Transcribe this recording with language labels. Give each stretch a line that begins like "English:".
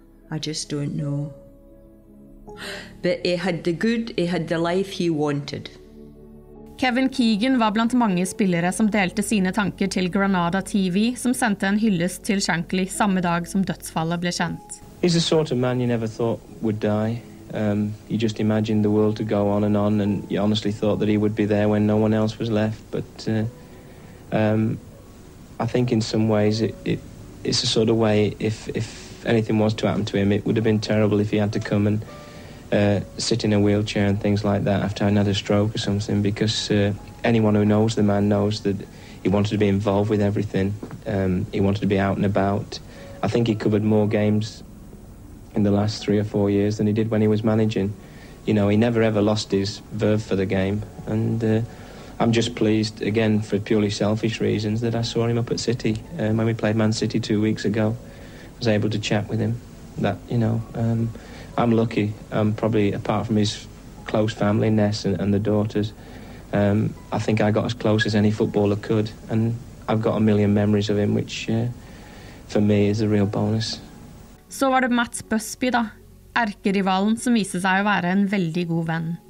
English: I just don't know. But he had the good, he had the life he wanted.
Norwegian: Kevin Keegan var blant mange spillere som delte sine tanker til Granada TV, som sendte en hyllest til Shankly samme dag som dødsfallet ble kjent.
English: He's the sort of man you never thought would die. You just imagined the world to go on, and you honestly thought that he would be there when no one else was left. But I think in some ways it's a sort of way, if anything was to happen to him, it would have been terrible if he had to come and sit in a wheelchair and things like that after another stroke or something, because anyone who knows the man knows that he wanted to be involved with everything. He wanted to be out and about. I think he covered more games in the last 3 or 4 years than he did when he was managing. You know, he never ever lost his verve for the game, and I'm just pleased, again, for purely selfish reasons, that I saw him up at City when we played Man City 2 weeks ago. I was able to chat with him. That, you know, I'm lucky. I'm probably, apart from his close family, Ness and the daughters, I think I got as close as any footballer could. And I've got a million memories of him, which for me is a real bonus.
Norwegian: Så var det Mats Busby da, erkerivalen som viste seg å være en veldig god venn.